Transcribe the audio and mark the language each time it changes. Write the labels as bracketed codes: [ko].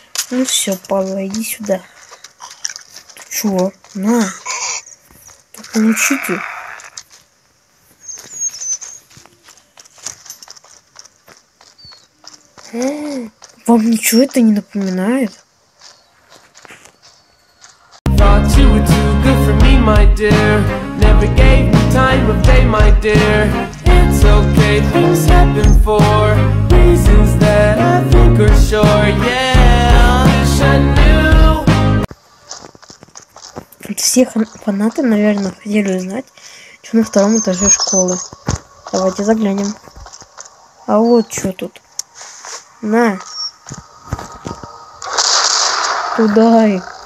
[ru] Ну все, Павел, иди сюда. Ты чего? На. Так получите. Вам ничего это не напоминает? [en] Thought you were too good for me, my dear. Never gave me time of day, my dear. It's okay, things happen for reasons that I think are sure. Yeah, I wish I knew. [ru] Все фанаты, наверное, хотели узнать, что на втором этаже школы. Давайте заглянем. А вот что тут. На. Туда.